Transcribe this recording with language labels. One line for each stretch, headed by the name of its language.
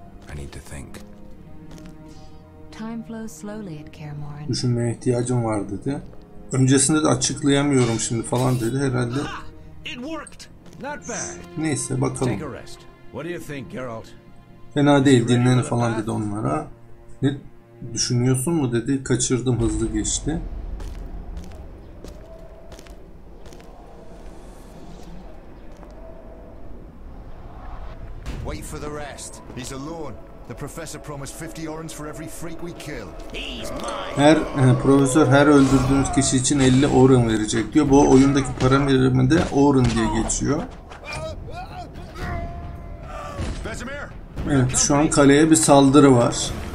English: I need to think. Time flows slowly at Kaer Morhen.
Turkish: Düşünmeye ihtiyacım var dedi. Öncesinde de açıklayamıyorum şimdi falan dedi herhalde.
English: It worked. Not bad.
Turkish: Neyse bakalım.
English: Take a rest. What do you think, Geralt?
Turkish: Fena değil, dinlen falan dedi onlara. Ne düşünüyorsun mu dedi. Kaçırdım, hızlı geçti.
English: Wait for the rest. He's alone. The professor promised 50 orans for every freak we kill. He's mine.
Turkish: Profesör her öldürdüğünüz kişi için 50 oran verecek diyor. Bu oyundaki para miliminde oran diye geçiyor. Evet, şu an kaleye bir saldırı var.